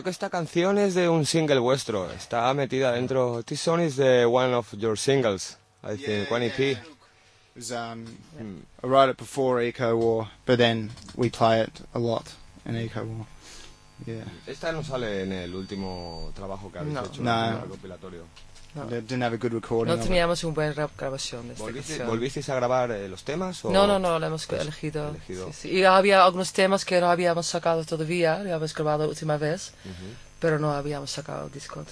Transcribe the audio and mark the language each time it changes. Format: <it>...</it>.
<es>Canción es de un single vuestro, está metida dentro.</es> <en>This song is the one of your singles, I think, one EP. It was, I wrote it before Eco War, but then we play it a lot in Eco War. Yeah.</en> <es>Esta no sale en el último trabajo que habéis hecho, no. En el compilatorio.</es> <en>No. They didn't have a good recording.</en> <es>No teníamos una buena grabación de esta canción. ¿Volvisteis a grabar los temas? O no, lo hemos elegido. Sí, sí. Y había algunos temas que no habíamos sacado todavía, lo habíamos grabado la última vez, pero no habíamos sacado el disco.</es>